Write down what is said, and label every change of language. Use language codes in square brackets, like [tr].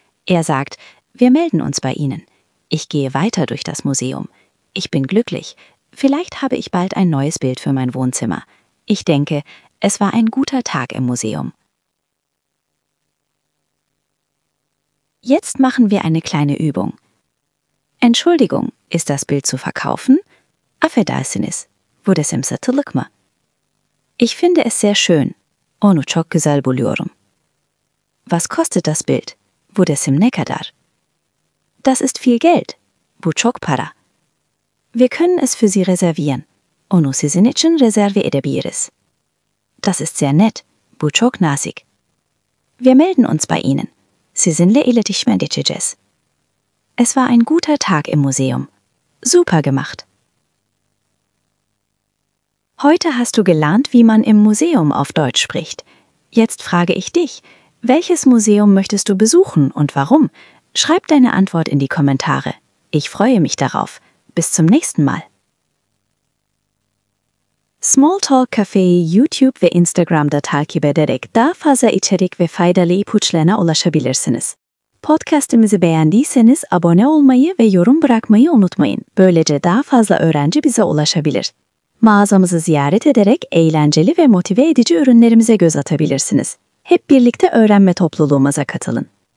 [de] Er sagt, wir melden uns bei Ihnen. Ich gehe weiter durch das Museum. Ich bin glücklich. Vielleicht habe ich bald ein neues Bild für mein Wohnzimmer. Ich denke, es war ein guter Tag im Museum. Jetzt machen wir eine kleine Übung. Entschuldigung, ist das Bild zu verkaufen? [tr] Affedersiniz, buresim satılık mı? [de] Ich finde es sehr schön. [tr] Onu çok güzel buluyorum. [de] Was kostet das Bild? [tr] Buresim ne kadar? [de] Das ist viel Geld. [tr] Bu çok para. [de] Wir können es für Sie reservieren. [tr] Onu sizin için rezerve edebiliriz. [de] Das ist sehr nett. [tr] Bu çok nazik. [de] Wir melden uns bei Ihnen. [tr] Sizinle iletişime geçeceğiz. [de] Es war ein guter Tag im Museum. Super gemacht. Heute hast du gelernt, wie man im Museum auf Deutsch spricht. Jetzt frage ich dich, welches Museum möchtest du besuchen und warum? Schreib deine Antwort in die Kommentare. Ich freue mich darauf. Bis zum nächsten Mal. [tr] Smalltalk Café YouTube ve Instagram'da takip ederek daha fazla içerik ve faydalı ipuçlarına ulaşabilirsiniz. Podcast'imizi beğendiyseniz abone olmayı ve yorum bırakmayı unutmayın. Böylece daha fazla öğrenci bize ulaşabilir. Mağazamızı ziyaret ederek eğlenceli ve motive edici ürünlerimize göz atabilirsiniz. Hep birlikte öğrenme topluluğumuza katılın.